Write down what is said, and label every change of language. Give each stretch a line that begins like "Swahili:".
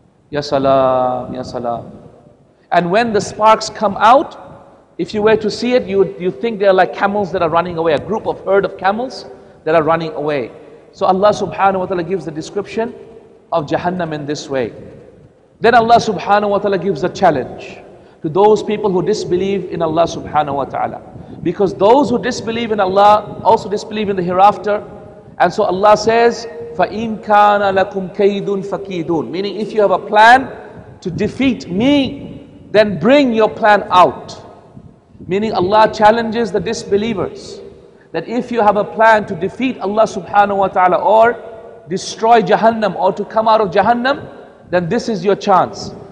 Arabic: Ya salam, ya salam.
English: And when the sparks come out, if you were to see it, you think they are like camels that are running away, a group of herd of camels that are running away. So Allah subhanahu wa ta'ala gives the description of Jahannam in this way. Then Allah subhanahu wa ta'ala gives a challenge to those people who disbelieve in Allah subhanahu wa ta'ala. Because those who disbelieve in Allah also disbelieve in the hereafter. And so Allah says,
Arabic: فَإِن كَانَ لَكُمْ كَيْدٌ فَكِيدٌ.
English: Meaning, if you have a plan to defeat me, then bring your plan out. Meaning Allah challenges the disbelievers that if you have a plan to defeat Allah subhanahu wa ta'ala or destroy Jahannam or to come out of Jahannam, then this is your chance.